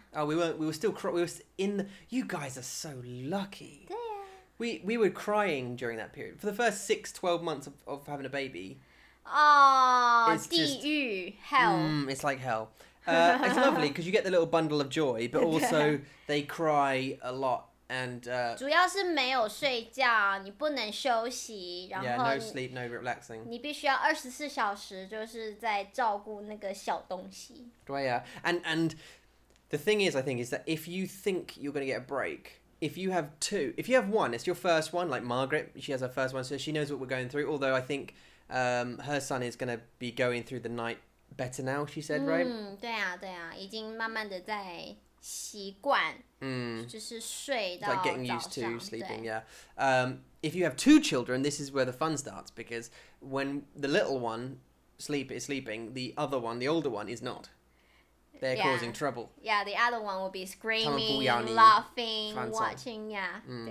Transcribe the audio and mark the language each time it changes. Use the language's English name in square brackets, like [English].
[English] Oh, we were still in the... You guys are so lucky. Yeah. We were crying during that period. For the first 6-12 months of having a baby. Oh, 地狱, hell. It's like hell. It's lovely, because you get the little bundle of joy, but also they cry a lot. And, [Chinese] 主要是没有睡觉，你不能休息，然后 [English] yeah, no sleep, no relaxing. [Chinese] 你必须要24小时就是在照顾那个小东西。对啊, [English] and the thing is, I think, is that if you think you're going to get a break, if you have one, it's your first one, like Margaret, she has her first one, so she knows what we're going through, although I think her son is going to be going through the night better now, she said, right? [Chinese] 对啊, 对啊, 已经慢慢的在习惯。就是睡到早上, [English] like getting used to sleeping, yeah. If you have two children, this is where the fun starts because when the little one is sleeping, the other one, the older one, is not. They're causing trouble. Yeah, the other one will be screaming, laughing, watching, yeah.